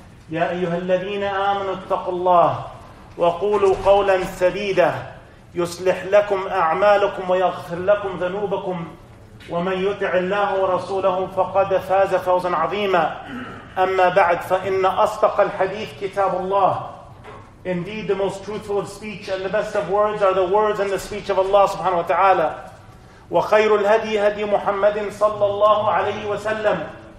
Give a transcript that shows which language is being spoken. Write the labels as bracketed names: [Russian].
[Arabic] يا أيها الذين آمنوا اتقوا الله وقولوا قولا سديدا يصلح لكم أعمالكم ويغفر لكم ذنوبكم ومن يطع الله ورسوله فقد فاز فوزا عظيما. أما بعد فإن أصدق الحديث كتاب الله. [English] Indeed the most truthful of speech and the best of words are the words and the speech of Allah [Arabic] سبحانه وتعالى. وخير الهدي هدي محمد صلى الله عليه وسلم.